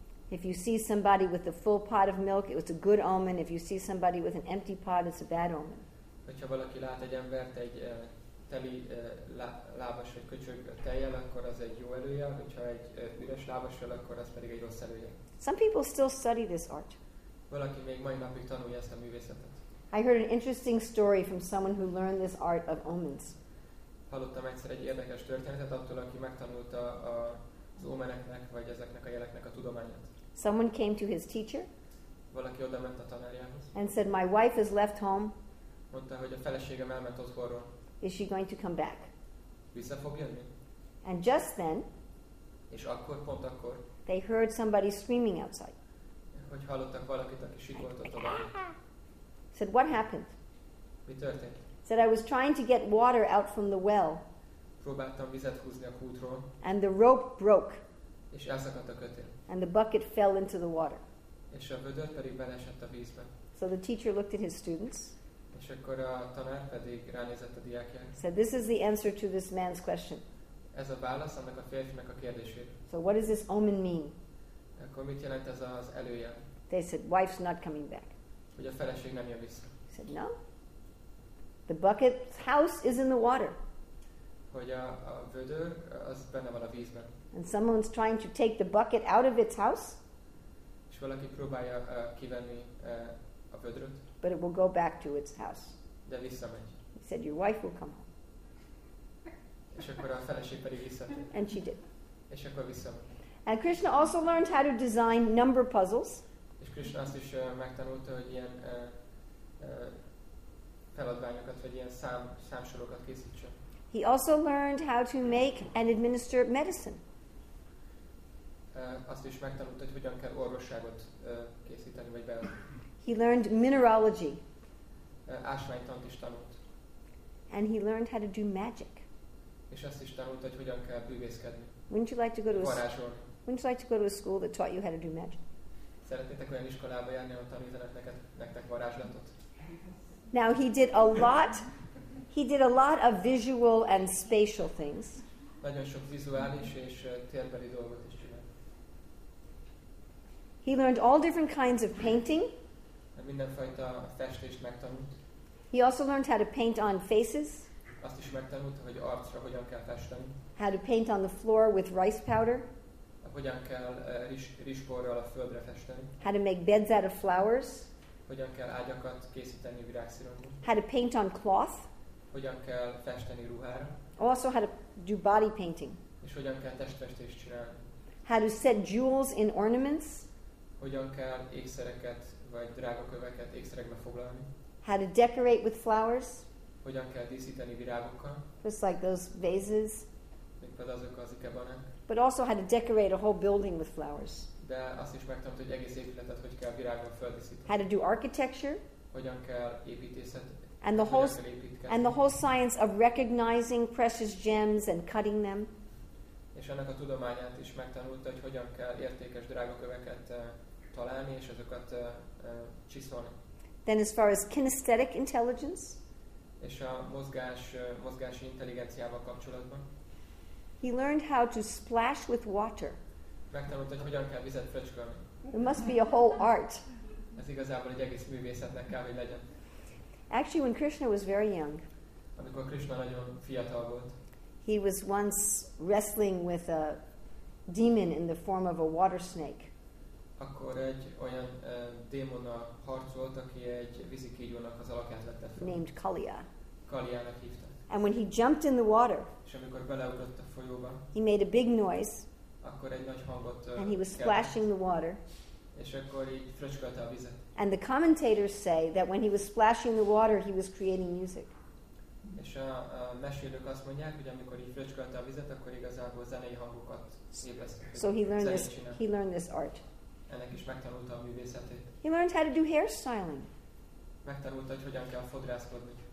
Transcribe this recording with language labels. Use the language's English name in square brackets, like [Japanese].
[English] If you see somebody with a full pot of milk, it was a good omen. If you see somebody with an empty pot, it's a bad omen. [Hungarian] Hogyha valaki lát egy embert egy teli lábas vagy köcsög tejjel, akkor az egy jó előjel. Hogyha egy üres lábassal, akkor az pedig egy rossz előjel. [English] Some people still study this art. [Hungarian] Valaki még mai napig tanulja ezt a művészetet. [English] I heard an interesting story from someone who learned this art of omens. [Hungarian] Hallottam egyszer egy érdekes történetet attól, aki megtanulta a az omeneknek, vagy ezeknek a jeleknek a tudományát. [English] Someone came to his teacher. [Hungarian] Valaki oda ment a tanárjához. [English] And said, my wife has left home. [Hungarian] Mondta, hogy a feleségem elment otthonról. [English] Is she going to come back? [Hungarian] Vissza fog jönni? [English] And just then, [Hungarian] és akkor, pont akkor, [English] they heard somebody screaming outside. [Hungarian] Hogy hallottak valakit, aki sikoltott a bányát. [English] Said, what happened? [Hungarian] Mi történt? [English] Said, I was trying to get water out from the well. [Hungarian] Próbáltam vizet húzni a kútról. [English] And the rope broke. [Hungarian] És elszakadt a kötél. [English] And the bucket fell into the water. [Hungarian] És a vödör pedig beleesett a vízbe. [English] So the teacher looked at his students. [Hungarian] És akkor a tanár pedig ránézett a diákjára. [English] Said, this is the answer to this man's question. [Hungarian] Ez a válasz annak a férfinek a kérdésére. [English] So what does this omen mean? [Hungarian] Akkor mit jelent ez az előjel? [English] They said, wife's not coming back. [Hungarian] Hogy a feleség nem jön vissza. [English] He said, no. The bucket's house is in the water. [Hungarian] Hogy a vödör, az benne van a vízben. [English] And someone's trying to take the bucket out of its house. [Hungarian] És valaki próbálja kivenni a vödröt. [English] But it will go back to its house. [Hungarian] De visszamegy. [English] He said, your wife will come home. [Hungarian] És akkor a feleség pedig visszatér. [English] And she did. [Hungarian] És akkor visszamegy. [English] And Krishna also learned how to design number puzzles. [Hungarian] És Krishna azt is megtanulta, hogy ilyen feladványokat, vagy ilyen számsorokat készítsen. [English] He also learned how to make and administer medicine. [Hungarian] Azt is megtanult, hogy hogyan kell orvosságot készíteni vagy beadni. [English] He learned mineralogy. [Hungarian] Ásványtant is tanult. [English] And he learned how to do magic. [Hungarian] És azt is tanult, hogy hogyan kell bűvészkedni. [English] Wouldn't you like to go to a school that taught you how to do magic? [Hungarian] Szeretnétek olyan iskolába járni, ahol tanítanak nektek varázslatot? [English] Now he did a lot. He did a lot of visual and spatial things. [Hungarian] Nagyon sok vizuális és térbeli dolgot is csinált. [English] He learned all different kinds of painting. [Hungarian] Mindenfajta festést megtanult. [English] He also learned how to paint on faces. [Hungarian] Azt is megtanult, hogy arcra hogyan kell festeni. [English] How to paint on the floor with rice powder. [Hungarian] Hogyan kell rizsborral a földre festeni. [English] How to make beds out of flowers. [Hungarian] Hogyan kell ágyakat készíteni virágszirommal. [English] How to paint on cloth. [Hungarian] Hogyan kell festeni ruhára. [English] Also how to do body painting. [Hungarian] És hogyan kell testfestést csinálni. [English] How to set jewels in ornaments. [Hungarian] Hogyan kell ékszereket vagy drága köveket ékszerekbe foglalni. [English] How to decorate with flowers. [Hungarian] Hogyan kell díszíteni virágokkal. [English] Just like those vases. [Hungarian] Mint például azok az ikebanák. [English] But also how to decorate a whole building with flowers. [Hungarian] De azt is megtanult, hogy egész épületet hogy kell virágokkal földíszíteni. [English] How to do architecture. [Hungarian] Hogyan kell építészet. [English] And the whole science of recognizing precious gems and cutting them. [Hungarian] És annak a tudományát is megtanulta, hogy hogyan kell értékes drágaköveket találni és azokat csiszolni. [English] Then as far as kinesthetic intelligence. [Hungarian] És a mozgási intelligenciával kapcsolatban. [English] He learned how to splash with water. [Hungarian] Megtanult, hogy hogyan kell vizet fröcskölni. [English] It must be a whole art. [Hungarian] Ez igazából egy egész művészetnek kell, hogy legyen. [English] Actually, when Krishna was very young, [Hungarian] amikor Krishna nagyon fiatal volt, [English] he was once wrestling with a demon in the form of a water snake. [Hungarian] Akkor egy olyan démona harcolt, aki egy vízi kígyónak az alakját vette fel. [English] Named Kaliya. [Hungarian] Kaliának hívták. [English] And when he jumped in the water, [Hungarian] és amikor beleugrott a folyóba, [English] he made a big noise. [Hungarian] Akkor egy nagy hangot, [English] and he was splashing the water. [Hungarian] És akkor így fröcskölte a vizet. [English] And the commentators say that when he was splashing the water, he was creating music. [Hungarian] És a mesélők azt mondják, hogy amikor így fröcskölte a vizet, akkor igazából zenei hangokat ébresztett. [English] So he learned this art. [Hungarian] Ennek is megtanulta a művészetét. [English] He learned how to do hairstyling. [Hungarian] Megtanulta, hogy hogyan kell fodrászkodni.